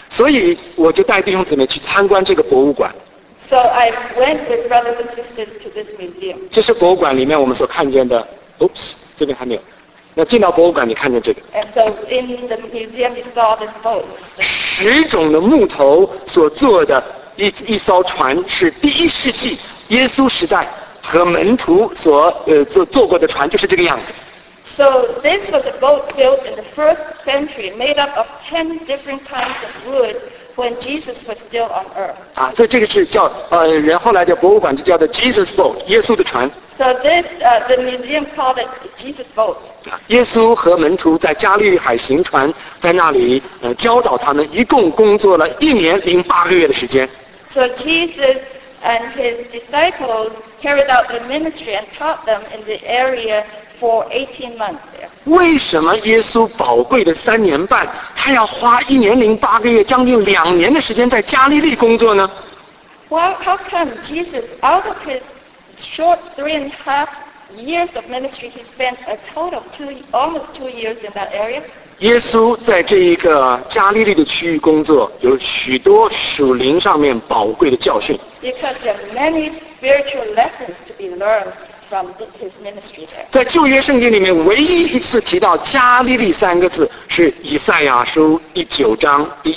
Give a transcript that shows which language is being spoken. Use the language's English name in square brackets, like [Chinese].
[Chinese] 所以我就带弟兄姊妹去参观这个博物馆。 [English] So I went with brothers and sisters to this museum. [Chinese] 这是博物馆里面我们所看见的。Oops， 这边还没有。那进到博物馆，你看见这个。 [English] And so in the museum, you saw this boat. [Chinese] 十种的木头所做的一艘船，是第一世纪耶稣时代和门徒所坐过的船，就是这个样子。 [English] So this was a boat built in the first century, made up of 10 different kinds of wood when Jesus was still on earth. [Chinese] 啊，所以这个是叫人后来的博物馆就叫做 Jesus boat， 耶稣的船。 [English] So this, the museum called it Jesus boat. [Chinese] 耶稣和门徒在加利利海行船，在那里教导他们，一共工作了1年零8个月的时间。 [English] So Jesus and his disciples carried out the ministry and taught them in the area for 18 months there. [Chinese] 为什么耶稣宝贵的3年半，他要花1年零8个月，将近2年的时间在加利利工作呢？ [English] Well, how come Jesus, out of his short 3.5 years of ministry, he spent a total of almost two years in that area? [Chinese] 耶稣在这一个加利利的区域工作，有许多属灵上面宝贵的教训。 [English] Because there are many spiritual lessons to be learned from his ministry there. [Chinese] 在旧约圣经里面，唯一一次提到加利利三个字是以赛亚书19:1。